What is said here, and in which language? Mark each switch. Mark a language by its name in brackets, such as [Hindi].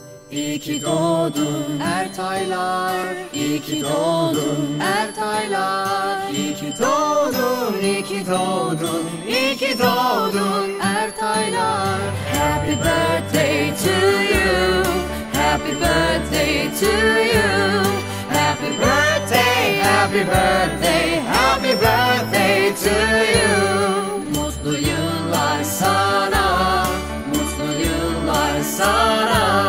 [Turkish] İyi ki doğdun Ertaylar, iyi ki doğdun Ertaylar, iyi ki doğdun, iyi ki doğdun, iyi ki doğdun Ertaylar. [English] Happy birthday to you, happy birthday to you, happy birthday, happy birthday, happy birthday to you. [Turkish] Mutlu yıllar sana, mutlu yıllar sana.